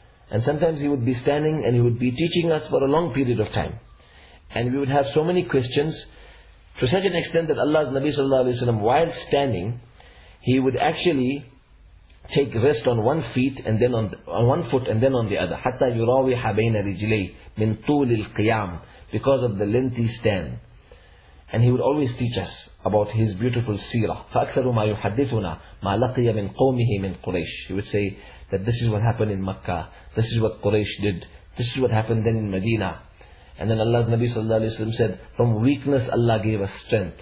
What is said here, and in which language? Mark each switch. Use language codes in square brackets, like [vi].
[en] And sometimes he would be standing and he would be teaching us for a long period of time. And we would have so many questions to such an extent that Allah's Nabi sallallahu alayhi wa sallam, while standing, he would actually take rest on one feet and then on one foot and then on the other. [ar] حَتَّى يُرَاوِحَ بَيْنَ رِجْلَيْهِ مِنْ طُولِ الْقِيَامِ, [en] because of the lengthy stand. And he would always teach us about his beautiful seerah. [ar] فَأَكْثَرُ مَا يُحَدِّثُنَا مَا لَقِيَ مِنْ قَوْمِهِ مِنْ قُرَيْشِ. [en] He would say that this is what happened in Makkah, this is what Quraysh did, this is what happened then in Medina. And then Allah's Nabi sallallahu alayhi wa sallam said, from weakness Allah gave us strength.